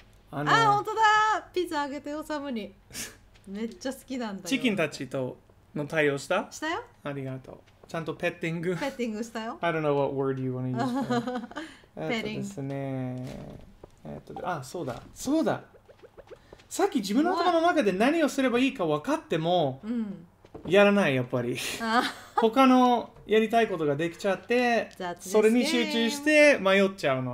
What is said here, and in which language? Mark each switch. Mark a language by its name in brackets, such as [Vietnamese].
[Japanese] あ本当だピザあげてよサムにめっちゃ好きなんだよチキンたちとの対応したしたよありがとうちゃんとペッティングペッティングしたよ [English] I don't know what word you want to use [Japanese] ペッティングですねあ、そうだ、そうだ。さっき自分の頭の中で何をすればいいか分かっても、やらない、やっぱり。他のやりたいことができちゃって、それに集中して迷っちゃうの。